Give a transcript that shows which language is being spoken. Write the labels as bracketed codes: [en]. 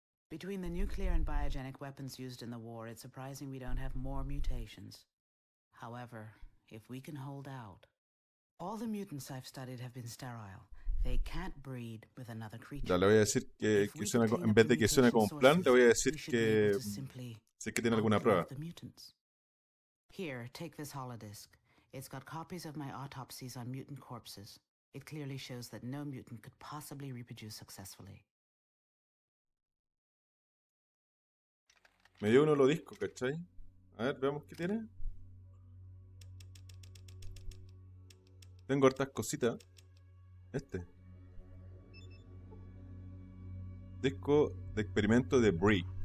[en] Between the nuclear and biogenic weapons used in the war, it's surprising we don't have more mutations. However, if we can hold out, all the mutants I've studied have been sterile. They can't breed with another creature. [es] Ya, le voy a decir que suena, en vez de que suene como un plan, le voy a decir que si es que tiene alguna prueba. [en] Here, take this holodisk. It's got copies of my autopsies on mutant corpses. It clearly shows that no mutant could possibly reproduce successfully. [es] Me dio un holodisco, ¿cachai? A ver, veamos qué tiene. Tengo hartas cositas. Este. Disco de experimento de Bree.